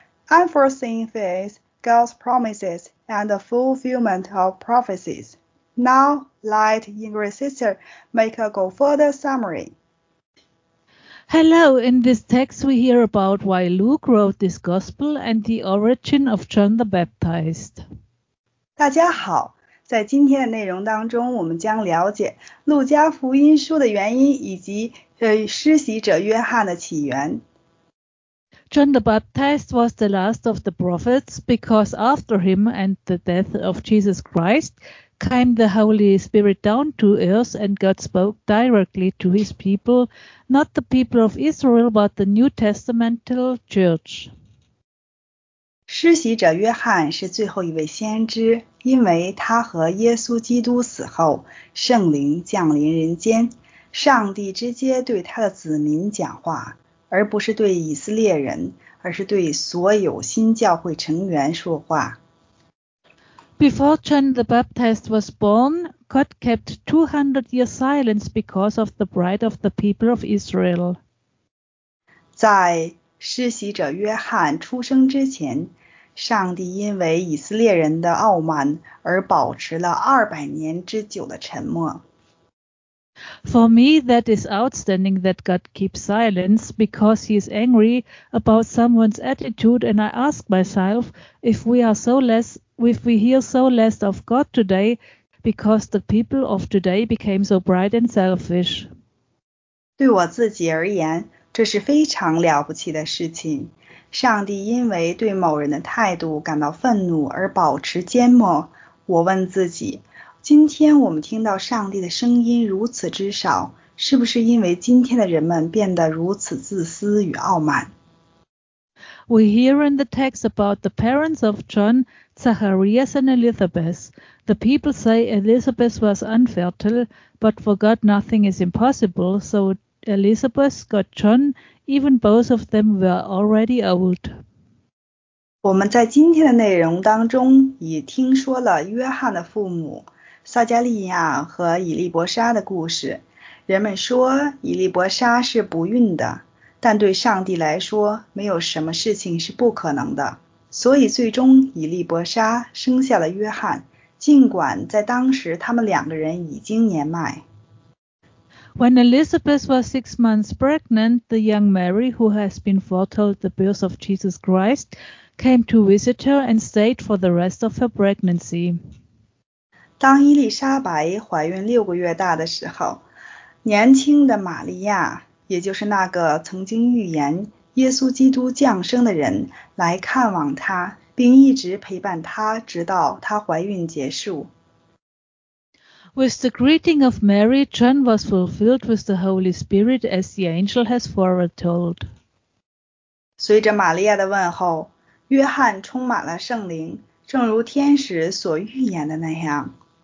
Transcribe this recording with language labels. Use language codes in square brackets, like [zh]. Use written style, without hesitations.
[en] Unforeseen fates, God's promises, and the fulfillment of prophecies. Now, let Ingrid's sister make a go for the summary. Hello, in this text we hear about why Luke wrote this gospel and the origin of John the Baptist. [zh] 大家好，在今天的内容当中我们将了解路加福音书的原因以及施洗者约翰的起源。 [en] John the Baptist was the last of the prophets because after him and the death of Jesus Christ came the Holy Spirit down to earth and God spoke directly to his people, not the people of Israel, but the New Testamental Church. [zh] 施洗者约翰是最后一位先知，因为他和耶稣基督死后，圣灵降临人间，上帝直接对他的子民讲话，而不是对以色列人，而是对所有新教会成员说话。 [en] Before John the Baptist was born, God kept 200 years silence because of the bride of the people of Israel. [zh] 在施洗者约翰出生之前，上帝因为以色列人的傲慢而保持了200年之久的沉默。 [en] For me, that is outstanding that God keeps silence because he is angry about someone's attitude, and I ask myself if we hear so less of God today because the people of today became so bright and selfish. [zh] 对我自己而言，这是非常了不起的事情。上帝因为对某人的态度感到愤怒而保持缄默，我问自己，今天我们听到上帝的声音如此之少，是不是因为今天的人们变得如此自私与傲慢？ [en] We hear in the text about the parents of John, Zacharias and Elizabeth. The people say Elizabeth was unfertile, but for God nothing is impossible, so Elizabeth got John, even both of them were already old. [zh] 我们在今天的内容当中也听说了约翰的父母撒加利亚和以利伯莎的故事，人们说以利伯莎是不孕的，但对上帝来说，没有什么事情是不可能的。所以最终以利伯莎生下了约翰，尽管在当时他们两个人已经年迈。 [en] When Elizabeth was 6 months pregnant, the young Mary, who has been foretold the birth of Jesus Christ, came to visit her and stayed for the rest of her pregnancy. [zh] 当伊丽莎白怀孕六个月大的时候，年轻的玛利亚，也就是那个曾经预言耶稣基督降生的人，来看望她，并一直陪伴她，直到她怀孕结束。 [en] With the greeting of Mary, John was fulfilled with the Holy Spirit as the angel has foretold. [zh] 随着玛利亚的问候，约翰充满了圣灵，正如天使所预言的那样。